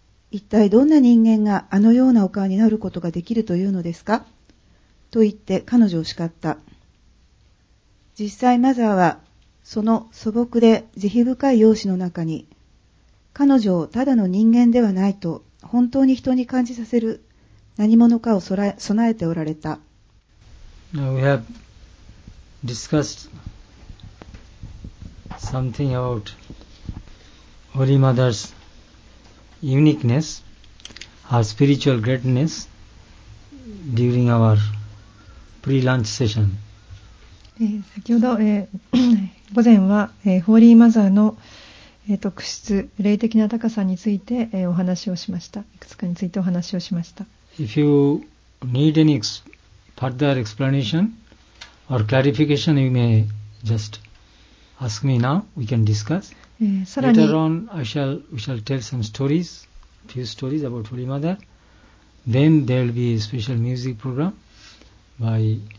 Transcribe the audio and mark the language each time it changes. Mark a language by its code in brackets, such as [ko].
[ja] 一体どんな人間があのようなお顔になることができるというのですか、と言って彼女を叱った。実際マザーはその素朴で慈悲深い容姿の中に、彼女をただの人間ではないと本当に人に感じさせる何者かを備えておられた。 [en] Now we have discussed something about Holy Mother'sUniqueness, our spiritual greatness during our pre-lunch session. [ja] 先ほど、午前は、ホーリーマザーの、特質、霊的な高さについて、お話をしました。いくつかについてお話をしました。 [en] If you need any further explanation or clarification, you may just ask me now. We can discuss. [ja] さらに、 [en] Later on, we shall tell some stories. Few stories about Holy Mother. Then there will be a special music program by